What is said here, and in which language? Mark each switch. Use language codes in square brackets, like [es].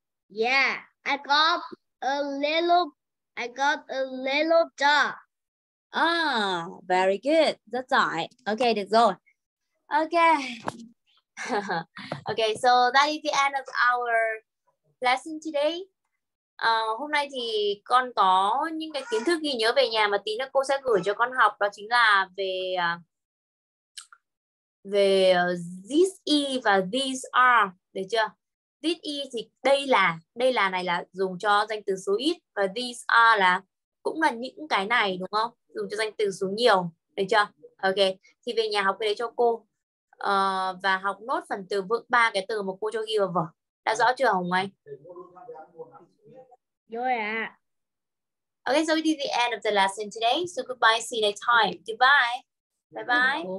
[en] Yeah, I got a little dog. Ah, very good. That's all right. Okay, được rồi. Okay. Okay, so that is the end of our lesson today. [vi] Hôm nay thì con có những cái kiến thức ghi nhớ về nhà mà tí nữa cô sẽ gửi cho con học, đó chính là về về this is và these are, được chưa? This is thì đây là này là dùng cho danh từ số ít, và these are là cũng là những cái này đúng không? Dùng cho danh từ số nhiều, được chưa? Ok, thì về nhà học cái đấy cho cô. Và học nốt phần từ vựng ba cái từ mà cô cho ghi vào vở. Đã rõ chưa Hồng Anh? Rồi ạ. [en] Okay, so this is the end of the lesson today. So goodbye, see you next time. Goodbye. Bye